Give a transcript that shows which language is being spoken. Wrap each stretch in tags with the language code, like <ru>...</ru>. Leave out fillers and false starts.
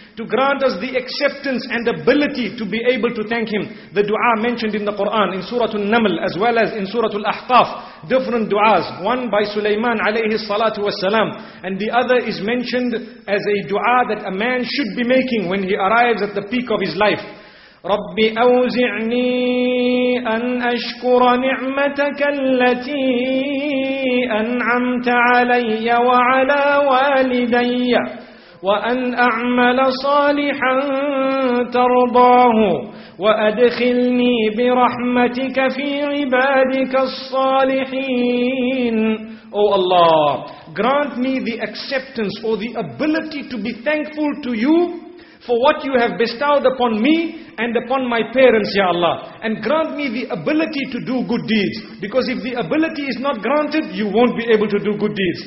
<en>To grant us the acceptance and ability to be able to thank Him. The dua mentioned in the Quran, in Surah An-Naml, as well as in Surah Al-Ahqaf. Different duas, one by Sulaiman alayhi salatu wasalam, and the other is mentioned as a dua that a man should be making when he arrives at the peak of his life.</en> <ar>رب أوزعني أن أشكر نعمتك التي أنعمت علي وعلى والدي وأن أعمل صالحا ترضاه وأدخلني برحمتك في عبادك الصالحين.</ar> <en>O Allah, grant me the acceptance or the ability to be thankful to You for what you have bestowed upon me and upon my parents, Ya Allah. And grant me the ability to do good deeds. Because if the ability is not granted, you won't be able to do good deeds.</en>